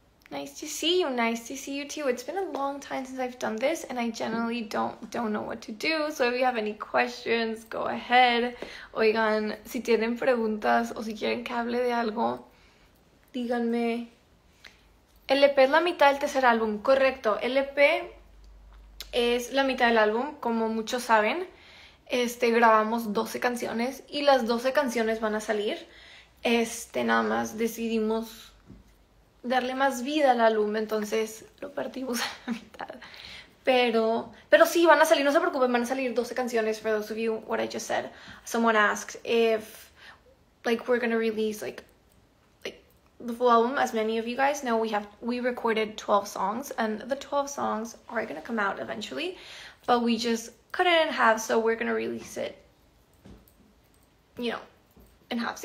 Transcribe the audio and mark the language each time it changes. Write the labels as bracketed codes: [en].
[en] Nice to see you, nice to see you too. It's been a long time since I've done this and I generally don't know what to do. So if you have any questions, go ahead. [es] Oigan, si tienen preguntas o si quieren que hable de algo, díganme. El EP es la mitad del tercer álbum, correcto. El EP es la mitad del álbum, como muchos saben. Grabamos 12 canciones y las 12 canciones van a salir. Nada más decidimos darle más vida al álbum, entonces lo partimos a la mitad. Pero sí, van a salir, no se preocupen, van a salir 12 canciones. [en] For those of you, what I just said, someone asked if, like, we're gonna release, the full album, as many of you guys know, we recorded 12 songs, and the 12 songs are gonna come out eventually, but we just couldn't have, so we're gonna release it, in halves.